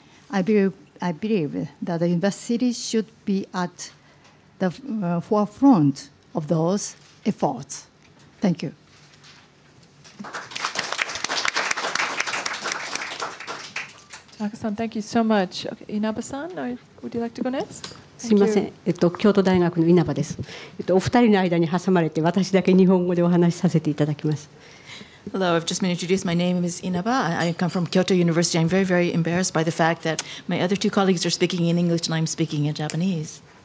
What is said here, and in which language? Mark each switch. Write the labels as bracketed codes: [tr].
[en] I believe that the university should be at the forefront of those efforts. Thank you. Tanaka-san, thank you so much. Okay, Inaba-san, would you like to go next? [ja] すみません。京都大学の稲葉です。お二人の間に挟まれて、私だけ日本語でお話しさせていただきます。 [en] Hello, I've just been introduced. My name is Inaba. I come from Kyoto University. I'm very, very embarrassed by the fact that my other two colleagues are speaking in English and I'm speaking in Japanese.